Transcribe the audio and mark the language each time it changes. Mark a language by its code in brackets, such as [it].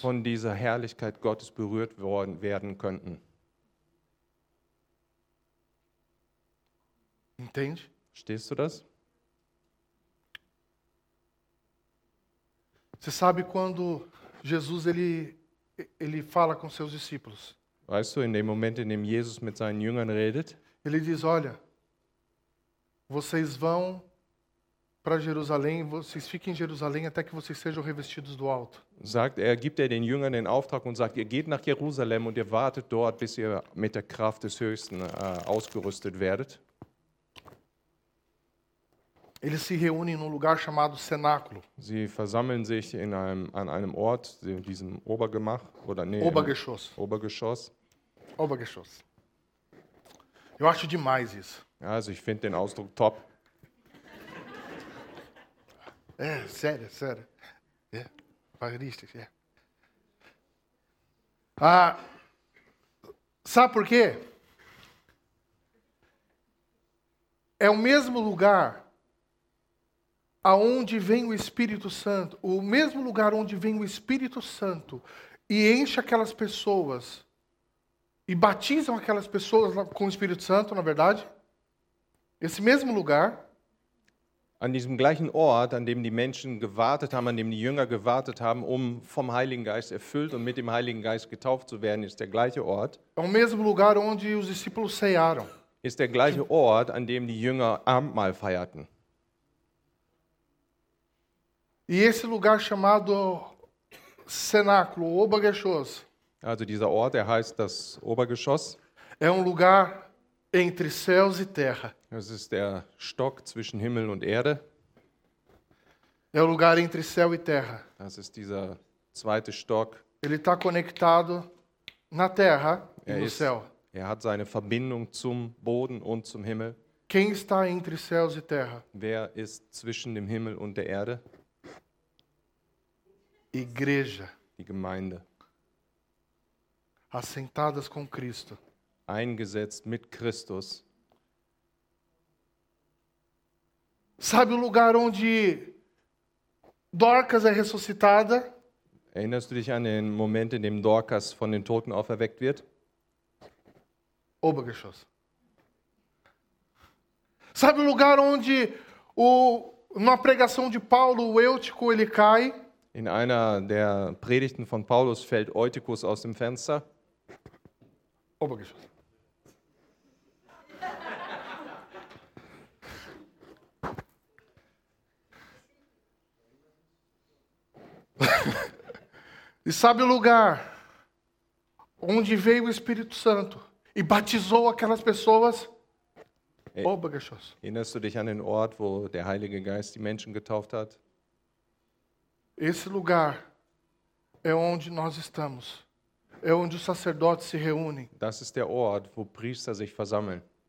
[de] Von dieser Herrlichkeit Gottes berührt werden könnten. [pt] Entende? [de] Verstehst du das? [pt] Você sabe quando Jesus ele fala com seus discípulos? [de] Weißt du, in dem Moment, in dem Jesus mit seinen Jüngern redet? [pt] Ele diz: "Olha, vocês vão para Jerusalém, vocês fiquem em Jerusalém até que vocês sejam revestidos do alto." [de] Sagt er, gibt er den Jüngern den Auftrag und sagt: "Ihr geht nach Jerusalem und ihr wartet dort, bis ihr mit der Kraft des Höchsten ausgerüstet werdet." [pt] Eles se reúnem num lugar chamado Cenáculo. [de] Sie versammeln sich in einem an einem Ort, in diesem Obergemach oder nee, Obergeschoss. Obergeschoss. [pt] Obergeschoss. Eu acho demais isso. [de] Ja, also ich finde den Ausdruck top. [pt] É, sério. É. Paulista, é. Ah, sabe por quê? É o mesmo lugar aonde vem o Espírito Santo, o mesmo lugar onde vem o Espírito Santo e enche aquelas pessoas e batizam aquelas pessoas com o Espírito Santo, na verdade? Esse mesmo lugar. [de] An diesem gleichen Ort, an dem die Menschen gewartet haben, an dem die Jünger gewartet haben, um vom Heiligen Geist erfüllt und mit dem Heiligen Geist getauft zu werden, ist der gleiche Ort. [pt] É o mesmo lugar onde os discípulos ceiaram. [de] Ist der gleiche Ort, an dem die Jünger Abendmahl feierten. [pt] E esse lugar chamado Cenáculo, Obergeschoss. [de] Also dieser Ort, der heißt das Obergeschoss. [pt] É um lugar entre céus e terra. [de] Es ist der Stock zwischen Himmel und Erde. [pt] É o lugar entre céu e terra. [de] Das ist dieser zweite Stock. [pt] Ele está conectado na terra e no céu. [de] Er hat seine Verbindung zum Boden und zum Himmel. [pt] Quem está entre céus e terra? [de] Wer ist zwischen dem Himmel und der Erde? [pt] Igreja, [de] die Gemeinde, [pt] assentadas com Cristo, [de] eingesetzt mit Christus. [pt] Sabe o lugar onde Dorcas é ressuscitada? [de] Erinnerst du dich an den Moment, in dem Dorcas von den Toten auferweckt wird? Obergeschoss. [pt] Sabe o lugar onde o na pregação de Paulo o Eutico ele cai? [de] In einer der Predigten von Paulus fällt Eutychus aus dem Fenster. Obergeschoss. [pt] E sabe o lugar onde veio o Espírito Santo e batizou aquelas pessoas? [de] Obergeschoss. Erinnerst du dich an den Ort, wo der Heilige Geist die Menschen getauft hat? [pt] Esse lugar é onde nós estamos. É onde os sacerdotes se reúnem. [de] Das ist der Ort, wo Priester sich versammeln.